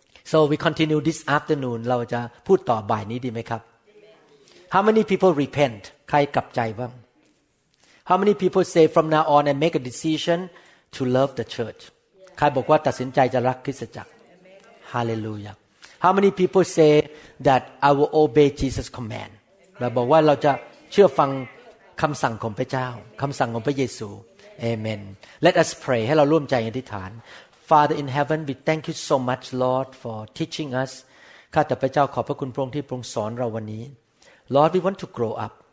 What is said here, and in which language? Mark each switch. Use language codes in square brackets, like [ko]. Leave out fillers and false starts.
[en] So we continue this afternoon [th] เราจะพูดต่อบ่ายนี้ดีไหมครับ [en] How many people repent [th] ใครกลับใจบ้าง [en] How many people say from now on and make a decision to love the church [th] ใครบอกว่าตัดสินใจจะรักคริสตจักร [en] Hallelujah. How many people say that I will obey Jesus' command? [th] We บอกว่าเราจะเชื่อฟังคำสั่งของพระเจ้าคำสั่งของพระเยซู [en] Amen. Let us pray. [th] ให้เราร่วมใจอธิษฐาน [en] Father in heaven, we thank you so much, Lord, for teaching us. [th] ข้าแต่พระเจ้าขอบพระคุณพระองค์ที่ทรงสอนเราวันนี้ [en] Lord, we want to grow up.